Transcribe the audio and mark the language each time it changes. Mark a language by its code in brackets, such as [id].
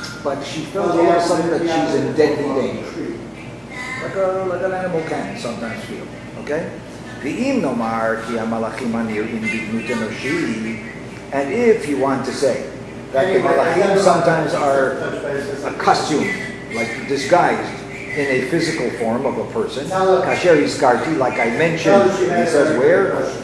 [en] But she feels all of a sudden that she's in deadly danger. Like an animal can sometimes feel. Okay? [he] ואם נאמר כי המלאכים הנראים בדמות אנושית. [en] And if you want to say that the malachim sometimes are a costume, like disguised in a physical form of a person, [he] kasher iskarti, [en] like I mentioned, he says where?